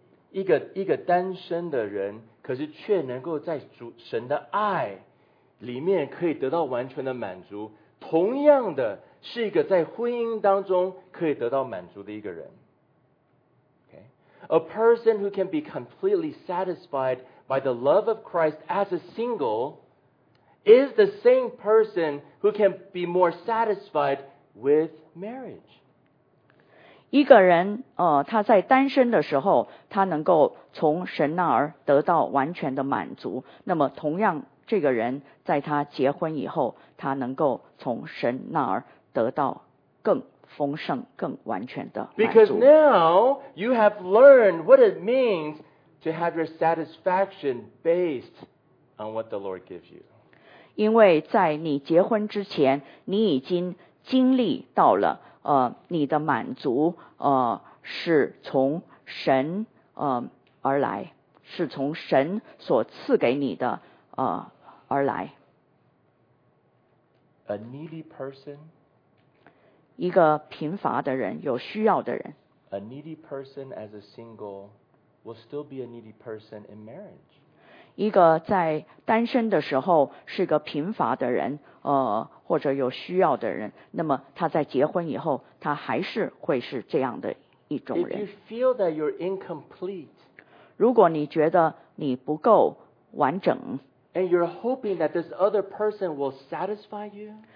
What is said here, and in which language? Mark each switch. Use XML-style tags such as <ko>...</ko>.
<zh>一个单身的人，可是却能够在主神的爱里面可以得到完全的满足。同样的，是一个在婚姻当中可以得到满足的一个人。</zh> <en>Okay? A person who can be completely satisfied by the love of Christ as a single is the same person who can be more satisfied with marriage.</en> <zh>一个人他在单身的时候，他能够从神那儿得到完全的满足，那么同样这个人在他结婚以后，他能够从神那儿得到更丰盛更完全的满足。</zh> <en>Because now you have learned what it means to have your satisfaction based on what the Lord gives you.</en> <zh>因为在你结婚之前，你已经经历到了你的满足是从神而来，是从神所赐给你的而来。</zh> <en>A needy person,</en> <zh>一个贫乏的人，有需要的人。</zh> <en>A needy person as a single will still be a needy person in marriage.</en> <zh>一个在单身的时候是个贫乏的人，或者有需要的人，那么他在结婚以后，他还是会是这样的一种人。</zh> <en>If you feel that you're incomplete,</en> <zh>如果你觉得你不够完整，</zh> <en>and you're hoping that this other person will satisfy you,</en>